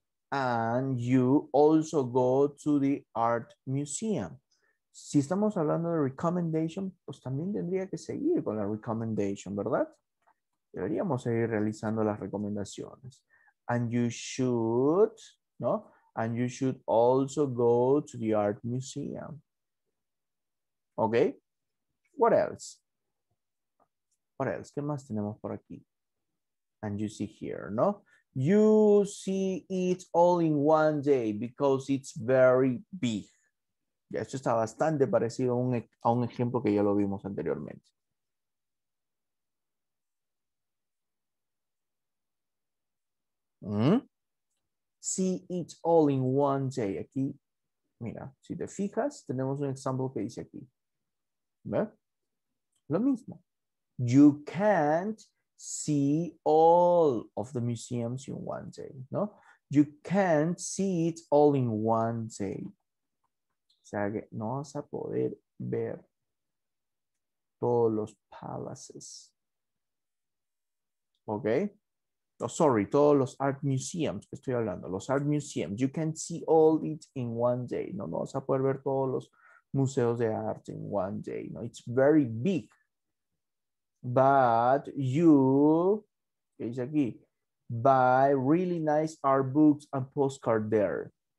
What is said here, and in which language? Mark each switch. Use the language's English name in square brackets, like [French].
[English] And you also go to the art museum. [Spanish] Si estamos hablando de recommendation, pues también tendría que seguir con la recommendation, ¿verdad? Deberíamos seguir realizando las recomendaciones. [English] And you should, [Spanish] ¿no? [English] And you should also go to the art museum. ¿Ok? What else? What else? [Spanish] ¿Qué más tenemos por aquí? [English] And you see here, [Spanish] ¿no? [English] You see it all in one day because it's very big. [Spanish] Ya, esto está bastante parecido a un ejemplo que ya lo vimos anteriormente. [English] See it all in one day. [Spanish] Aquí, mira, si te fijas, tenemos un ejemplo que dice aquí. ¿Ve? Lo mismo. [English] You can't see all of the museums in one day. ¿No? You can't see it all in one day. [Spanish] O sea que no vas a poder ver todos los palaces. ¿Ok? [English] Oh, sorry, [Spanish] todos los art museums que estoy hablando. Los art museums. [English] You can see all it in one day. [Spanish] ¿No? No vas a poder ver todos los museos de arte [English] in one day. [Spanish] ¿No? [English] It's very big. But you, [Spanish] ¿qué dice aquí? [English] Buy really nice art books and postcard there.